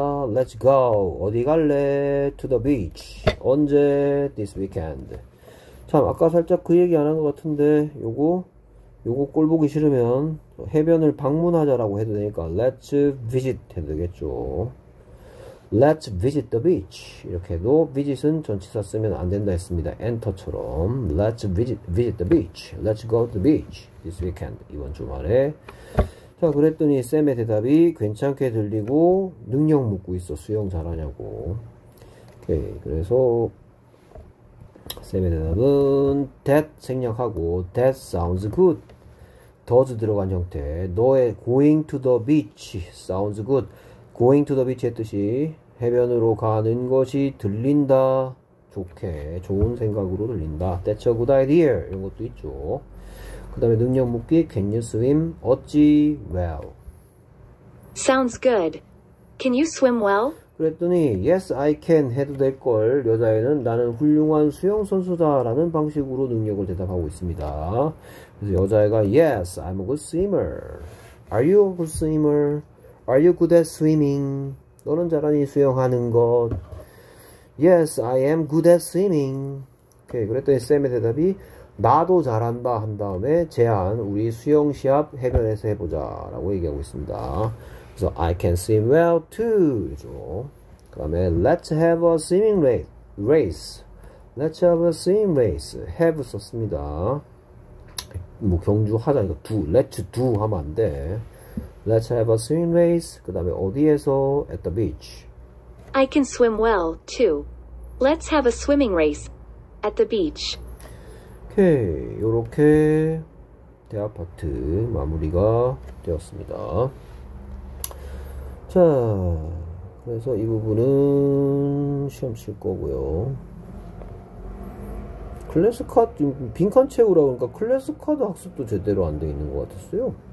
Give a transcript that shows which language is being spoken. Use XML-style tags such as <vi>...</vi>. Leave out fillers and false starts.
<en>Let's go.</en> <ko>어디 갈래?</ko> <en>To the beach.</en> <ko>언제?</ko> <en>This weekend.</en> <ko>참 아까 살짝 그 얘기 안 한 것 같은데 요거 꼴 보기 싫으면 해변을 방문하자라고 해도 되니까 Let's visit 해도 되겠죠.</ko> <en>Let's visit the beach.</en> <ko>이렇게 해도 visit은 전치사 쓰면 안 된다 했습니다.</ko> <en>Enter처럼 Let's visit the beach. Let's go to the beach this weekend.</en> <ko>이번 주말에. 자, 그랬더니 샘의 대답이 괜찮게 들리고 능력 묻고 있어. 수영 잘하냐고. 오케이. 그래서 샘의 대답은 that 생략하고</ko> <en>that sounds good.</en> <ko>does 들어간 형태. 너의</ko> <en>going to the beach sounds good.</en> <ko>going to the beach의 뜻이 해변으로 가는 것이 들린다. 좋게. 좋은 생각으로 들린다.</ko> <en>that's a good idea.</en> <ko>이런 것도 있죠. 그 다음에 능력 묻기,</ko> <en>can you swim?</en> <ko>어찌? well.</ko> <en>Sounds good. Can you swim well?</en> <ko>그랬더니,</ko> <en>yes, I can</en> <ko>해도 될걸. 여자애는 나는 훌륭한 수영선수다 라는 방식으로 능력을 대답하고 있습니다.</ko> <en>그래서 여자애가, yes, I'm a good swimmer. Are you a good swimmer? Are you good at swimming?</en> <ko>너는 잘하니 수영하는 것?</ko> <en>Yes, I am good at swimming.</en> <ko>오케이, 그랬더니 쌤의 대답이, 나도 잘한다 한 다음에 제안 우리 수영 시합 해변에서 해보자 라고 얘기하고 있습니다. 그래서</ko> <en>I can swim well too.</en> <ko>그 다음에</ko> <en>Let's have a swimming race. Let's have a swimming race.</en> <ko>Have 썼습니다. 뭐 경주하자 이거 do. Let's do 하면 안 돼.</ko> <en>Let's have a swimming race.</en> <ko>그 다음에 어디에서?</ko> <en>At the beach. I can swim well too. Let's have a swimming race at the beach.</en> <ko>이렇게 대화파트 마무리가 되었습니다. 자, 그래서 이 부분은 시험 칠 거고요. 클래스 카드 빈칸 채우라 그러니까 클래스 카드 학습도 제대로 안 돼 있는 것 같았어요.</ko>